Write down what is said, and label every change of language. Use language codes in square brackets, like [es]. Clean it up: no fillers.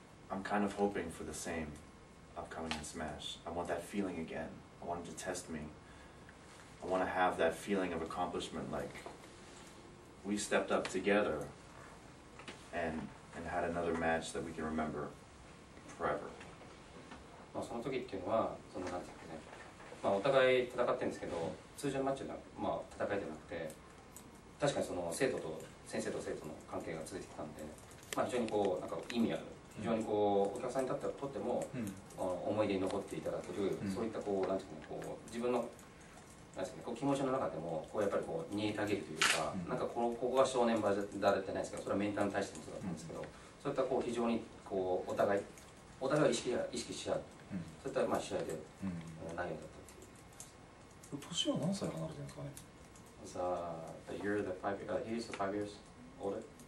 [en] I'm kind of hoping for the same upcoming in Smash. I want that feeling again. I want it to test me. I want to have that feeling of accomplishment, like we stepped up together and had another match that we can remember forever. [ja] まあその時っていうのはそのなんていうかね、まあお互い戦ってるんですけど、通常のマッチでは、まあ、戦いではなくて、確かにその生徒と先生と生徒の関係が続いてきたんで、まあ非常にこうなんか意味ある、非常にこうお客さんにとっても、うん、思い出に残っていただける、うん、そういったこうなんていうかね、こう自分のなんですかね、こう気持ちの中でもこうやっぱりこう煮えたげるというか、なんかここが正念場だったじゃないですか。それはメンタルに対してもそうだったんですけど、そういったこう非常にこうお互い意識し合う、そういったまあ試合で内容だったっていう。年は何歳離れてるんですかね。 [en] The year the five he is five years older.